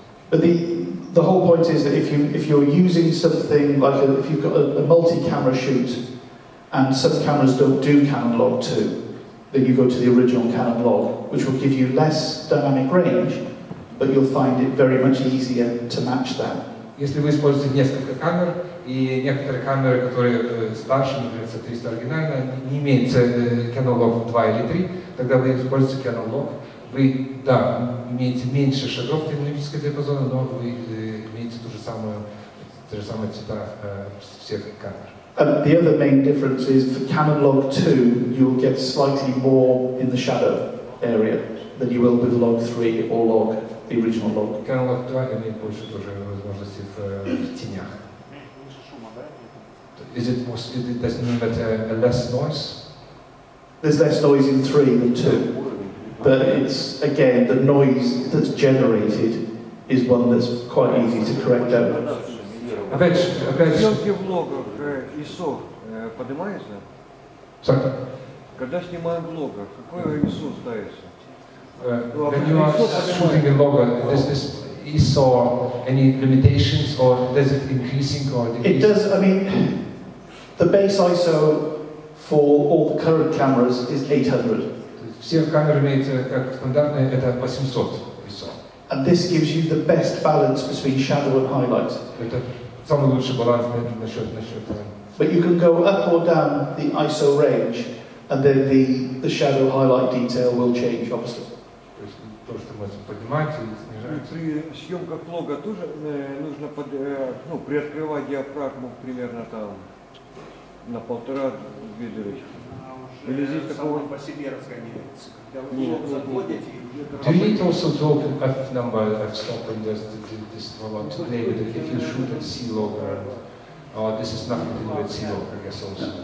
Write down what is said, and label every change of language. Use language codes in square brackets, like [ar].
[en] But the whole point is that if you're using something like if you've got a multi-camera shoot and some cameras don't do Canon Log 2, then you go to the original Canon Log, which will give you less dynamic range, but you'll find it very much easier to match that [ru] Если вы используете несколько камер, и некоторые камеры, которые старше, например, C300 оригинально, не имеют Canon Log 2 или 3, тогда вы используете Canon Log. Вы, да, имеете меньше шагов динамического диапазона, но вы имеете ту же самую, те же самые цвета всех камер. [en] The other main difference is for Canon Log 2, you'll get slightly more in the shadow area than you will with Log 3 or Log, the original Log. [ru] Canon Log 2 имеет больше тоже возможностей в тенях. [en] Is it more, does it mean that less noise? There's less noise in 3 than 2. But it's, again, the noise that's generated is one that's quite easy to correct out. [ru] Опять же. Съемки в логах ISO поднимается? [en] Sorry. [ru] Когда снимаем в логах, какое ISO ставится? [en] When you are shooting a logo, does this ISO any limitations or does it increasing or decreasing? It does, I mean, the base ISO for all the current cameras is 800. [ru] Все камеры имеют как стандартное это 800 ISO. [en] And this gives you the best balance between shadow and highlight. [ru] Это самый лучший баланс насчет. [en] But you can go up or down the ISO range, and then the shadow highlight detail will change, obviously. [ru] То есть то, что можно поднимать или снижать. При съемках лога тоже нужно под ну приоткрывать диафрагму примерно там на полтора-две дырочки. [en] Do you need also to open F number, F stop, and just this robot to play with it if you shoot at sea log? Or this is nothing to do with sea log, I guess, also.